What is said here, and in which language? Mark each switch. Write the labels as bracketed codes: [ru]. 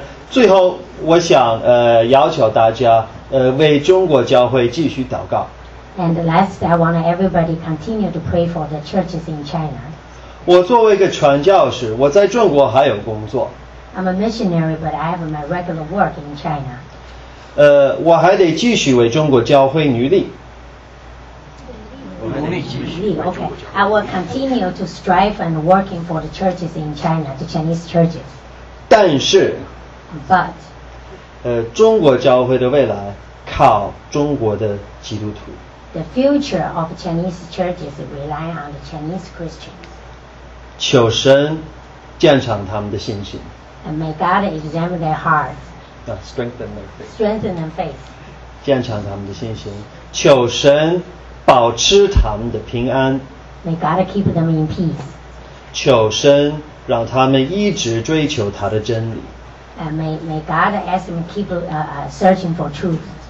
[zh] 最后我想要求大家为中国教会继续祷告。 [en] And last, I want everybody continue to pray for the churches in China. [zh] 我作为一个传教士，我在中国还有工作。 [en] I'm a missionary, but I have my regular work in China. [zh] 我还得继续为中国教会努力。 [en] Okay. I will continue to strive and working for the churches in China, the Chinese churches. [zh] 但是 [en] But [zh] 中国教会的未来靠中国的基督徒。 [en] The future of Chinese churches rely on the Chinese Christians. [zh] 求神鉴赏他们的信心。 [en] And may God examine their hearts. Strengthen their faith. Strengthen their faith. [zh] 鉴赏他们的信心。求神保持他们的平安。 [en] May God keep them in peace. [zh] 求神让他们一直追求他的真理。 [en] And may God ask them keep searching for truth.